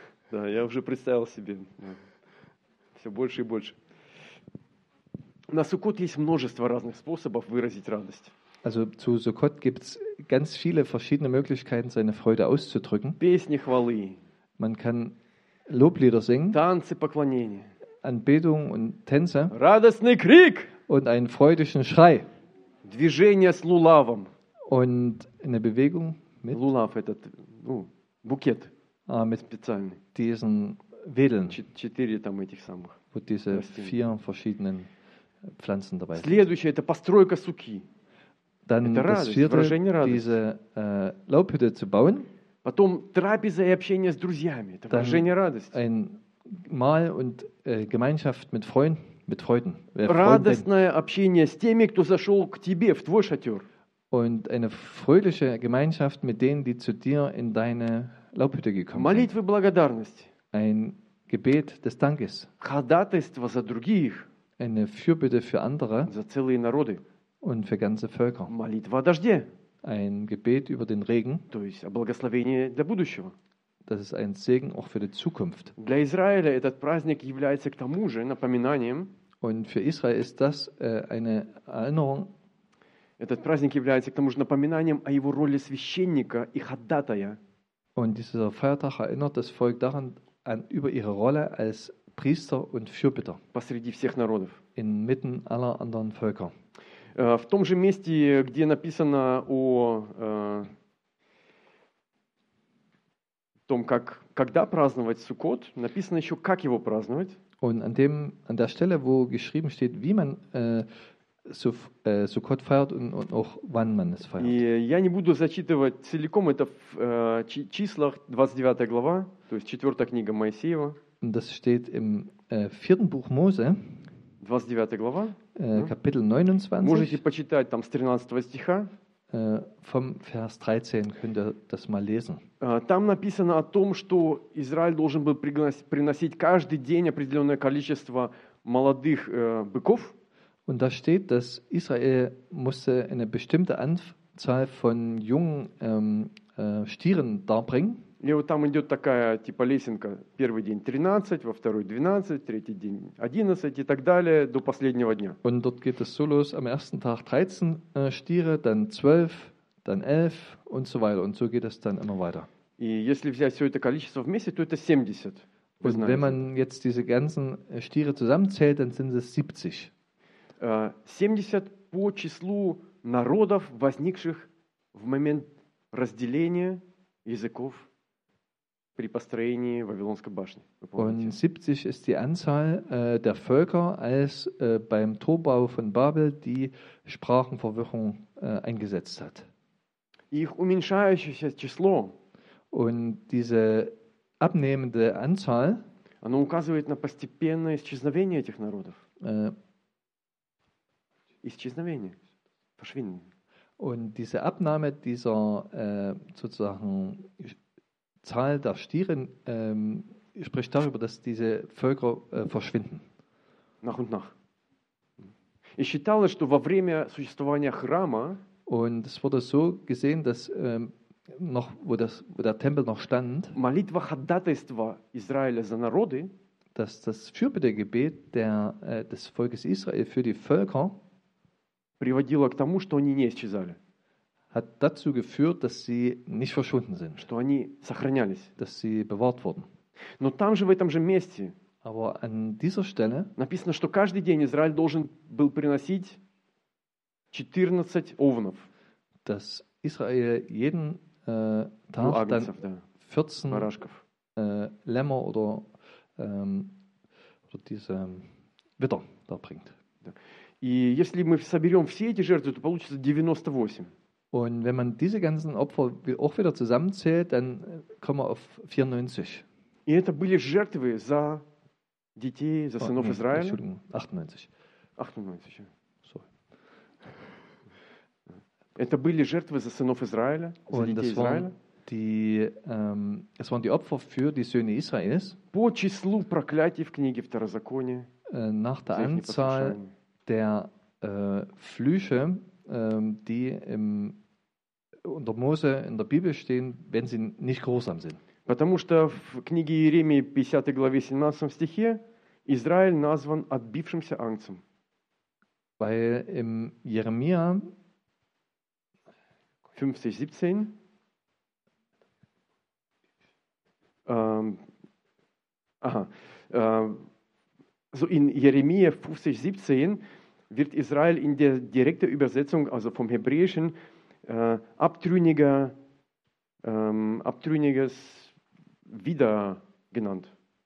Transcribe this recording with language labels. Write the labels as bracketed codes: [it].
[ru] Да, я уже представил себе. Все больше и больше. На Суккот есть множество разных способов выразить радость. [de] Also zu Sukkot gibt's ganz viele verschiedene Möglichkeiten, seine Freude auszudrücken. [ru] Песни хвалы. [de] Man kann Loblieder singen. [ru] Танцы поклонения. [de] Anbetung und Tänze. [ru] Радостный крик. [de] Und einen freudigen Schrei. [ru] Движение с лулавом. [de] Und eine Bewegung mit [ru] Lulav, этот, ну, букет, [de] mit [ru] специальный. [de] Diesen Wedeln. [ru] Четыре там этих самых. Вот [de] diese vier verschiedenen Pflanzen dabei. [ru] Следующее это постройка суки. [de] Dann [ru] это [de] das [ru] радость, [de] vierte, diese Laubhütte zu bauen. [ru] Потом трапеза и общение с друзьями. Это [de] dann [ru] выражение радости. [de] Ein Mahl und Gemeinschaft mit Freunden. Mit Freuden. [ru] Радостное общение с теми, кто зашел к тебе в твой шатер. [de] Und eine fröhliche Gemeinschaft mit denen, die zu dir in deine Laubhütte gekommen sind. [ru] Молитвы благодарности. [de] Ein Gebet des Dankes. [ru] Ходатайство за других. [de] Eine Fürbitte für andere. [ru] За целые народы. [de] Und für ganze Völker. [ru] Молитва о дожде. [de] Ein Gebet über den Regen. [ru] То есть о благословении для будущего. [de] Das ist ein Segen auch für die Zukunft. [ru] Для Израиля этот праздник является к тому же напоминанием. [de] Und für Israel ist das eine Erinnerung. [ru] Этот праздник является к тому же напоминанием о его роли священника и ходатая. [de] Und dieser Feiertag erinnert das Volk daran an über ihre Rolle als Priester und Fürbitter. [ru] Посреди всех народов. [de] Inmitten aller anderen Völker. [ru] В том же месте, где написано о том, как когда праздновать Суккот, написано еще, как его праздновать. [de] Und an der Stelle, wo geschrieben steht, wie man Суккот feiert und auch wann man es feiert. [ru] И я не буду зачитывать целиком, это в числах 29 глава, то есть 4 книга Моисеева. [de] Und das steht im vierten Buch Mose, [ru] 29 глава, [de] Kapitel 29. [ru] Можете почитать там с 13 стиха. [de] Vom Vers 13 könnt ihr das mal lesen. [ru] Там написано о том, что Израиль должен был приносить каждый день определенное количество молодых быков. [de] Und da steht, dass Israel musste eine bestimmte Anzahl von jungen Stieren darbringen. [ru] И вот там идет такая типа лесенка: первый день 13, во второй 12, третий день 11 и так далее до последнего дня. [de] Und dort geht es so los: am ersten Tag 13 Stiere, dann 12, dann 11 und so weiter. Und so geht es dann immer weiter. [ru] И если взять все это количество вместе, то это 70. [de] Und wenn man jetzt diese ganzen Stiere zusammenzählt, dann sind es 70. [ru] 70 по числу народов, возникших в момент разделения языков при построении Вавилонской башни. [de] Und 70 ist die Anzahl der Völker, als beim Torbau von Babel die Sprachenverwirrung eingesetzt hat. [ru] Их уменьшающееся число. [de] Und diese abnehmende Anzahl, [ru] оно указывает на постепенное исчезновение этих народов. Исчезновение. [de] Verschwinden. Und diese Abnahme dieser sozusagen Zahl der Stiere spricht darüber, dass diese Völker verschwinden. Nach und nach. Ich [ru] считалось, что во время существования храма, [de] und es wurde so gesehen, dass noch, wo der Tempel noch stand, [ru] молитва ходатайства Израиля за народы, [de] dass das Fürbittegebet des Volkes Israel für die Völker [ru] приводило к тому, что они не исчезали. [de] Hat dazu geführt, dass sie nicht verschwunden sind. [ru] Что они сохранялись. [de] Dass sie bewahrt wurden. [ru] Но там же, в этом же месте, [de] aber an dieser Stelle [ru] написано, что каждый день Израиль должен был приносить 14 овнов. [de] Dass Israel jeden Tag [ru] Агнцев, [de] dann 14 Lämmer oder diese Witter da bringt. [ru] И если мы соберем все эти жертвы, то получится 98. [de] Und wenn man diese ganzen Opfer auch wieder zusammenzählt, dann kommen wir auf 94. [ru] И это были жертвы за детей, за сынов Израиля. [de] Entschuldigung, 98. 98. Sorry. [ru] Это были жертвы за сынов Израиля, за [de] und [ru] детей Израиля. [de] Es waren die Opfer für die Söhne Israels. [ru] По числу проклятий в книге Второзакония. [de] Nach der Anzahl der Flüche, die unter Mose in der Bibel stehen, wenn sie nicht gehorsam sind. [ru] Потому что в книге Иеремии 50 главе 17 стихе Израиль назван отбившимся ангцем. [de] Weil im Jeremia 50, 17 so in Jeremia 50, 17 wird Israel in der direkten Übersetzung, also vom Hebräischen, abtrünniges wieder genannt.